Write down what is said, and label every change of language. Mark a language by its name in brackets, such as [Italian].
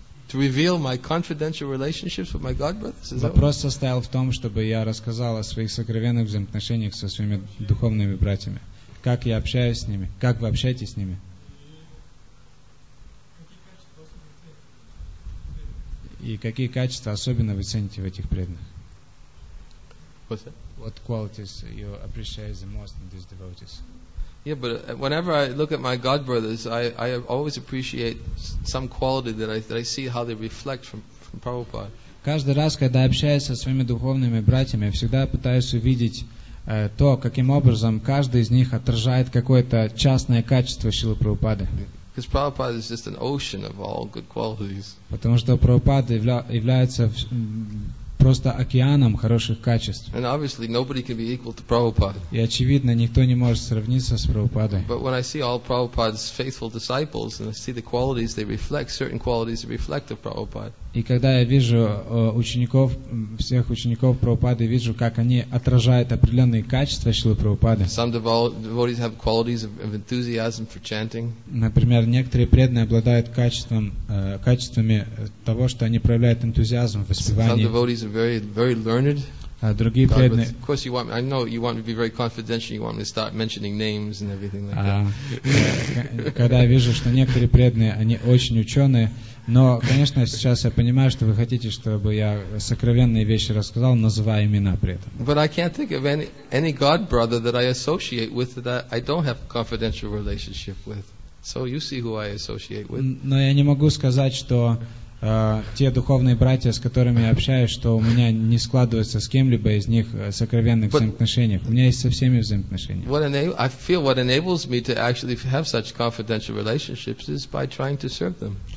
[English] To reveal my confidential relationships with my God brothers? [Russian] Вопрос состоял в том, чтобы я рассказал о своих сокровенных взаимоотношениях со своими духовными братьями. Как я общаюсь с ними? Как вы общаетесь с ними? И какие качества особенно вы цените в этих преданных? [English] What qualities you appreciate the most in these devotees? Yeah, but whenever I look at my God brothers, I always appreciate some quality that I see how they reflect from Prabhupada. [Russian] Каждый раз, когда общаюсь со своими духовными братьями, я всегда пытаюсь увидеть то, каким образом каждый из них отражает какое-то частное качество Шрилы Прабхупады. [English] Because Prabhupada is just an ocean of all good qualities. [Russian] Потому что Прабхупада является просто океаном хороших качеств. [English] And obviously nobody can be equal to Prabhupada. [Russian] И очевидно, никто не может сравниться с Прабхупадой. [English] But when I see all Prabhupada's faithful disciples and I see the qualities they reflect, certain qualities they reflect of Prabhupada. [Russian] И когда я вижу учеников, всех учеников Прабхупады, вижу, как они отражают определенные качества Шрилы Прабхупады. [English] Some devotees have qualities of enthusiasm for chanting. [Russian] Например, некоторые преданные обладают качествами того, что они проявляют энтузиазм в воспевании. [English] Some are very, very learned. [Russian] Другие преданные. [English] Of course, you want. I know you want to be very confidential. You want me to start mentioning names and everything like that. [Russian] Когда я вижу, что некоторые преданные, они очень ученые, но, конечно, сейчас я понимаю, что вы хотите, чтобы я сокровенные вещи рассказал, называя имена при этом. [English] But I can't think of any God brother that I associate with that I don't have a confidential relationship with. So you see who I associate with. [Russian] Но я не могу сказать, что те духовные братья, с которыми я общаюсь, что у меня не складывается с кем-либо из них сокровенных взаимоотношений. У меня есть со всеми взаимоотношения.